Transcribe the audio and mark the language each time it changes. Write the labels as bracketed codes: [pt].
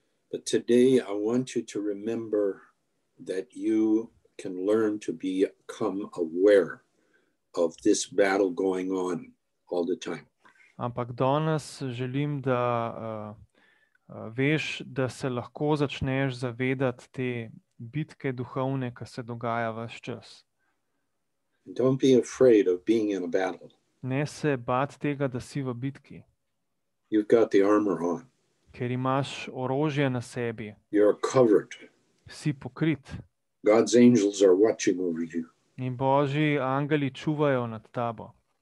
[en] But today I want you to remember that you can learn to become aware of this battle going on all the time. [sl] Ampak danes želim, da veš, da se lahko začneš zavedati te bitke duhovne, ki se dogaja ves čas. [en] Don't be afraid of being in a battle. [sl] Ne se bat tega, da si v bitki. [en] You've got the armor on. [sl] Ker imaš orožje na sebi. [en] You're covered. [sl] Si pokrit. [en] God's angels are watching over you. [sl] In Božji angeli čuvajo nad tabo.